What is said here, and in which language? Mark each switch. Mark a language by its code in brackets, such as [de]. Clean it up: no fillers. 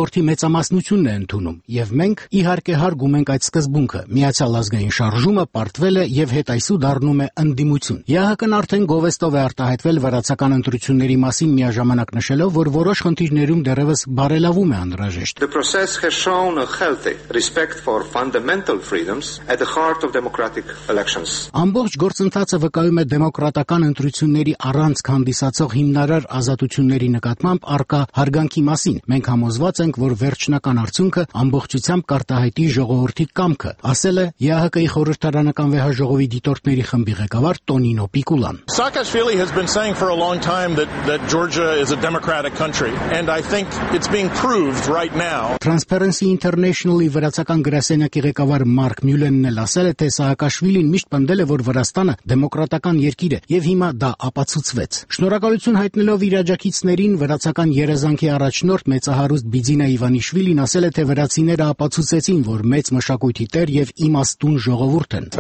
[hy] ժողովրդի մեծամասնությունն է ընդունում, եւ մենք իհարկե հարգում ենք այդ սկզբունքը։ Միացյալ ազգային շարժումը պարտվել է եւ հետայսու դառնում է ընդդիմություն։ ԵԱՀԿ-ն արդեն գովեստով է արտահայտվել վրացական ընտրությունների մասին, միաժամանակ նշելով, որ որոշ խնդիրներում դեռևս բարելավում է անհրաժեշտ։ [en] The process has shown a healthy respect for fundamental freedoms at the heart of democratic elections. [hy] Ամբողջ գործընթացը վկայում է դեմոկրատական ընտրությունների առանց հանդիսացող հիմնարար ազատությունների նկատմամբ առկա հարգանքի մասին։ Մենք համոզված ենք, որ վերջնական արդյունքը ամբողջությամբ կարտահայտի ժողովրդի կամքը, ասել է ԵԱՀԿ-ի խորհրդարանական վեհաժողովի դիտորդների խմբի ղեկավար Տոնինո Պիկուլան։ [en] Saakashvili has been saying for a long time that Georgia is a democratic country, and I think it's being proved right now. [hy] Transparency International-ի վրացական գրասենյակի ղեկավար Մարկ Մյուլենն էլ ասել է, թե Saakashvili-ն միշտ պնդել է, որ Վրաստանը դեմոկրատական երկիր է, եւ հիմա դա ապացուցվեց։ Շնորհակալություն հայտնելով իր աջակիցներին, վրացական երազանքի առաջնորդ մեծահարուստ Բիդինա Իվանիշվիլին ասել է, թե վրացիները ապացուցեցին, որ մեծ մշակույթի տեր եւ իմաստուն ժողովուրդ են։